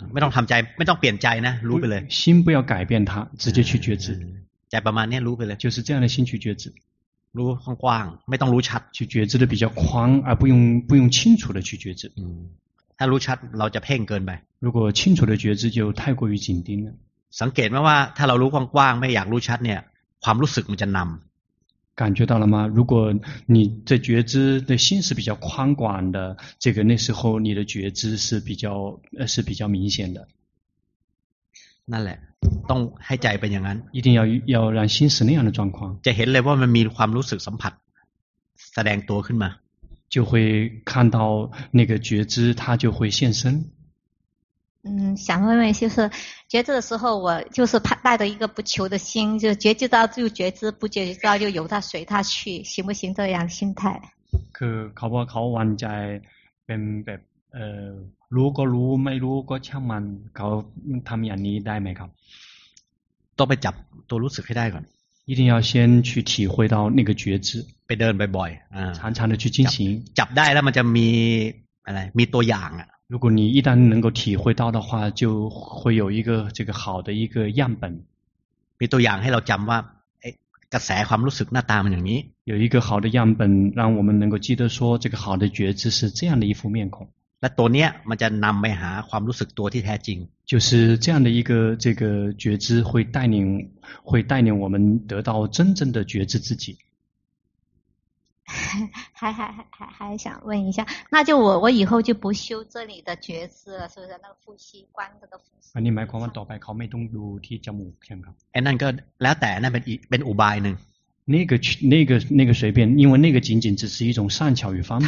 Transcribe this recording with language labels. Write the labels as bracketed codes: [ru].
[th] ไม่ต้องทำใจไม่ต้องเปลี่ยนใจนะรู้ไปเลย， [zh] 心不要改变它，直接去觉知， [th] ใจประมาณนี้รู้ไปเลย， [zh] 就是这样的心去觉知。 [th] รู้กว้างๆไม่ต้องรู้ชัด [zh] 去觉知的比较宽而不用清楚的去觉知 [th] ถ้ารู้ชัดเราจะเพ่งเกินไป [zh] 如果清楚的觉知就太过于紧盯了 [th] สังเกตไหมว่าถ้าเรารู้กว้างๆไม่อยากรู้ชัดเนี่ยความรู้สึกมันจะนำ [zh] 感觉到了吗如果你的觉知的心是比较宽广的这个那时候你的觉知是比较明显的 [th] นั่นแหละต้องให้ใจเป็นอย่างนั้น [zh] 一定要让心是那样的状况 [th] จะเห็นเลยว่ามันมีความรู้สึกสัมผัสแสดงตัวขึ้นมา [zh] 就会看到那个觉知它就会现身想问问，就是觉知的时候，我就是带着一个不求的心，就觉知到就觉知，不觉知到就由他随他去，行不行？这样心态。 [th] คือเขาบอกเขาวันใจเป็นแบบรู้ก็รู้ไม่รู้ก็ช่างมันเขาทำอย่างนี้ได้ไหมครับ ต้องไปจับตัวรู้สึกให้ได้ก่อน [zh] 一定要先去体会到那个觉知 [th] ไปเดินบ่อยๆ [zh] 常常的去进行 [th] จับได้แล้วมันจะมีอะไรมีตัวอย่างอ่ะ [zh] 如果你一旦能够体会到的话就会有一个这个好的一个样本 [th] มีตัวอย่างให้เราจำว่ากระแสความรู้สึกหน้าตามันอย่างนี้ [zh] 有一个好的样本让我们能够记得说这个好的觉知是这样的一副面孔 [th] และตัวเนี้ยมันจะนำไปหาความรู้สึกตัวที่แท้จริง [zh] 就是这样的一个这个觉知会带领我们得到真正的觉知自己还想问一下那就我以后就不修这里的觉知了是不是那个呼吸观这个呼吸你买光光倒白考没动度提交母片考哎那个 [th] แล้วแต่ [zh] 那边 [th] เป็นอุบาย [zh] 呢那个随便因为那个仅仅只是一种善巧与方便